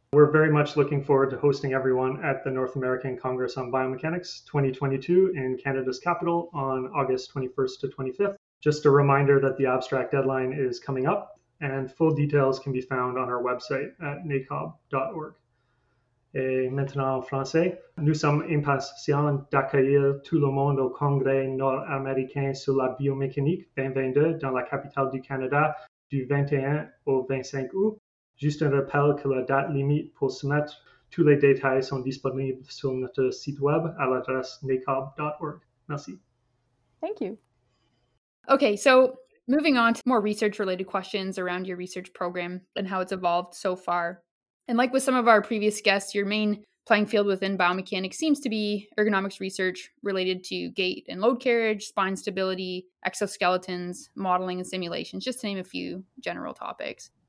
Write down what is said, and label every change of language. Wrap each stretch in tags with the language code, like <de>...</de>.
<en>We're very much looking forward to hosting everyone at the North American Congress on Biomechanics 2022 in Canada's capital on August 21st to 25th. Just a reminder that the abstract deadline is coming up, and full details can be found on our website at nacob.org.</en> <fr>Et maintenant en français, nous sommes impatients d'accueillir tout le monde au Congrès nord-américain sur la biomécanique 2022 dans la capitale du Canada du 21 au 25 août. Juste un rappel que la date limite pour soumettre tous les détails sont disponibles sur notre site web à l'adresse nacob.org. Merci.</fr> <en>Thank you. Okay, so moving on to more research-related questions around your research program and how it's evolved so far. And like with some of our previous guests, your main playing field within biomechanics seems to be ergonomics research related to gait and load carriage, spine stability, exoskeletons, modeling and simulations, just to name a few general topics.</en>